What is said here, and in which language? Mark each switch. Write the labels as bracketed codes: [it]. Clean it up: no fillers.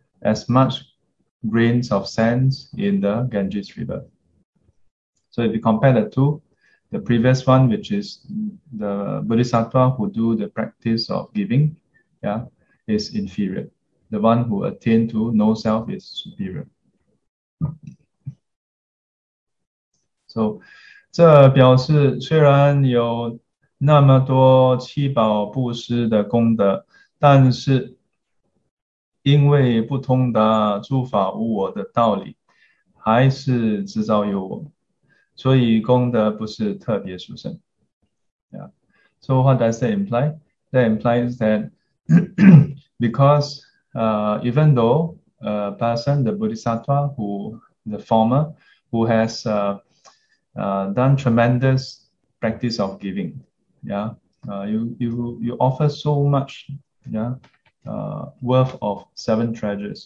[en] As much grains of sand in the Ganges River. So if you compare the two, the previous one, which is the Bodhisattva who do the practice of giving, yeah, is inferior. The one who attained to no self is superior. So, [zh] 这表示虽然有那么多七宝布施的功德，但是因为不通达诸法无我的道理，还是执着有我，所以功德不是特别殊胜. [en] Yeah. So what does that imply? That implies that because even though a person, the Bodhisattva, who has done tremendous practice of giving, yeah, you offer so much, yeah, worth of seven treasures.